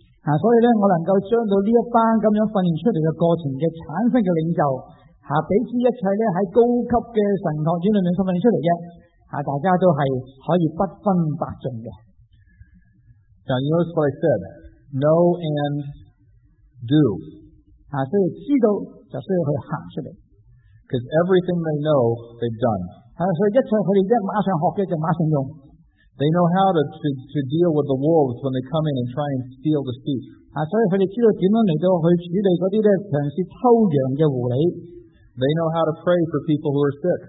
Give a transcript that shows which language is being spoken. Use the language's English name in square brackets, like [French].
[Cantonese] 所以呢，我能够将到呢一班咁样训练出嚟嘅过程嘅产生嘅领袖，比起一切咧喺高级嘅神学院里面训练出嚟嘅，大家都系可以不分伯仲嘅。 [English] Now you notice what I said, know and do. [Cantonese] 所以知道就需要去行出嚟。 [English] Because everything they know, they've done. They know how to deal with the wolves when they come in and try and steal the sheep. They know how to pray for people who are sick.